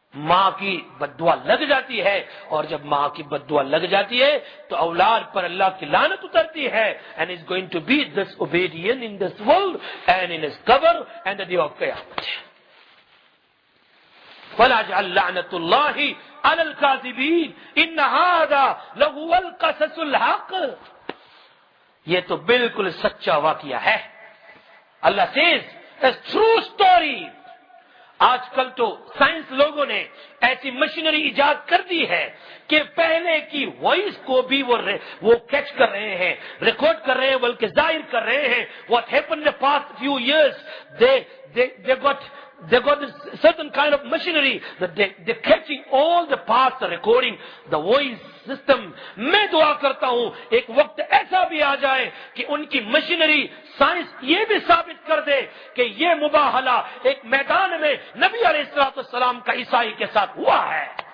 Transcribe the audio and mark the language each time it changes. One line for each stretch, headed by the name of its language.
Urdu: ماں کی بدعا لگ جاتی ہے اور جب ماں کی بدعا لگ جاتی ہے تو اولاد پر اللہ کی لعنت اترتی ہے.
English: And is going to be disobedient in this world and in his cover and the day of qayamat.
Arabic: فَلَا جَعَلْ لَعْنَةُ اللَّهِ عَلَى الْكَاذِبِينَ إِنَّ هَذَا لَهُوَ الْقَصَصُ الْحَقِ,
Urdu: یہ تو بالکل سچا واقعہ ہے.
English: Allah says it's true story.
Urdu: آج کل تو سائنس لوگوں نے ایسی مشینری ایجاد کر دی ہے کہ پہلے کی وائس کو بھی وہ کیچ کر رہے ہیں, ریکارڈ کر رہے ہیں, بلکہ ظاہر کر رہے ہیں.
English: What happened in the past few years, they got a certain kind of machinery that they're catching all the past recording, the voice system.
Urdu: میں دعا کرتا ہوں ایک وقت ایسا بھی آ جائے کہ ان کی مشینری سائنس یہ بھی ثابت کر دے کہ یہ مباہلہ ایک میدان میں نبی علیہ الصلوۃ والسلام کا عیسائی کے ساتھ ہوا ہے.